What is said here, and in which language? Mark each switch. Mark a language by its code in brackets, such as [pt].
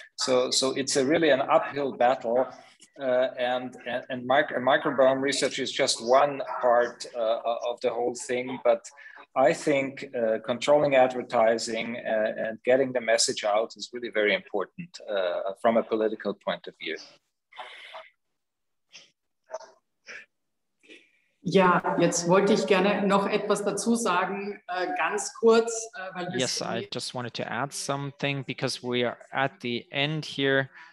[en] So it's a really an uphill battle. And microbiome research is just one part of the whole thing. But I think controlling advertising and getting the message out is really very important from a political point of view. [de] Ja, jetzt wollte ich gerne noch etwas dazu sagen, ganz kurz. [en] Yes, I just wanted to add something, because we are at the end here.